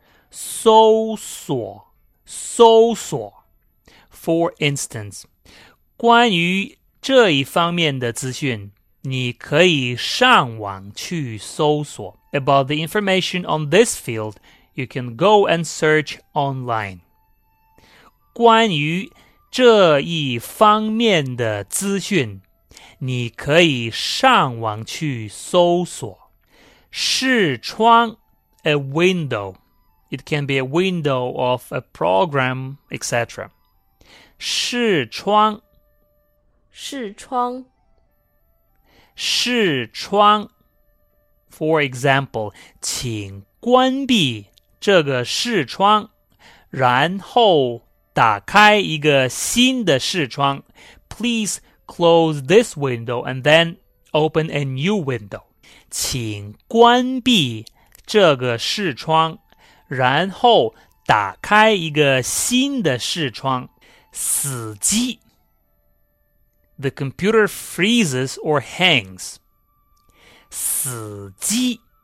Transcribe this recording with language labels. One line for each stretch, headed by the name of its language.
Chinese: 搜索搜索
English: For instance,
Chinese: 关于这一方面的资讯你可以上网去搜索
English: About the information on this field, you can go and search online.
Chinese: 关于这一方面的资讯你可以上网去搜索视窗
English: a window. It can be a window of a program, etc.
Chinese: 视窗视窗视窗
English: For example,
Chinese: 请关闭这个视窗然后打开一个新的视窗
English: Please close this window and then open a new window.
Chinese: 请关闭这个视窗然后打开一个新的视窗死机
English: The computer freezes or hangs.
Chinese: 死机